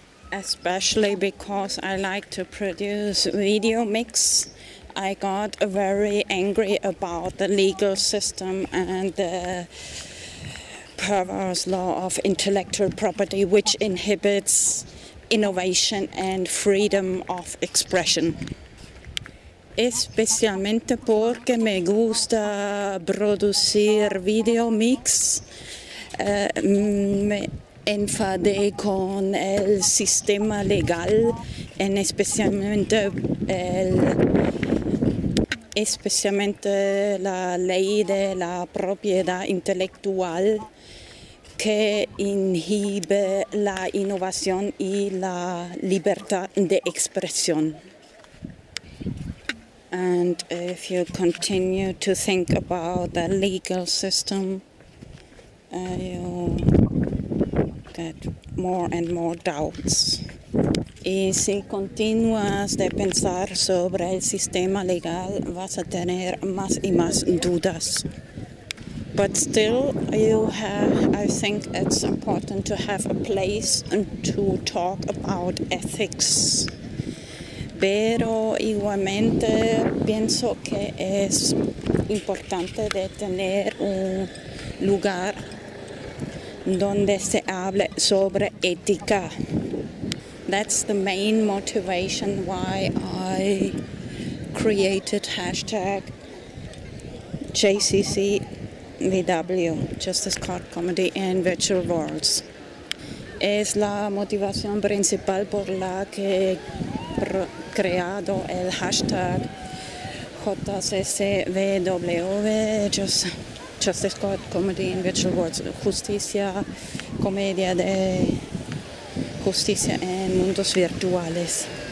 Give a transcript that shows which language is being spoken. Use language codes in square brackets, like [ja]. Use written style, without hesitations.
[en] Especially because I like to produce video mix, I got very angry about the legal system and the perverse law of intellectual property, which inhibits innovation and freedom of expression. [es] Especialmente porque me gusta producir video mix, me enfadé con el sistema legal, en especialmente la ley de la propiedad intelectual, que inhibe la innovación y la libertad de expresión. [en] And if you continue to think about the legal system, you get more and more doubts. [es] Y si continúas de pensar sobre el sistema legal, vas a tener más y más dudas. [en] But still, you have, I think it's important to have a place and to talk about ethics. [es] Pero igualmente pienso que es importante de tener un lugar donde se hable sobre ética. [en] That's the main motivation why I created hashtag JCCVW, Justice Card Comedy in Virtual Worlds. [es] Es la motivación principal por la que creado el hashtag JCCVW, Justice Card Comedy in Virtual Worlds, Justicia, Comedia de Justicia en Mundos Virtuales.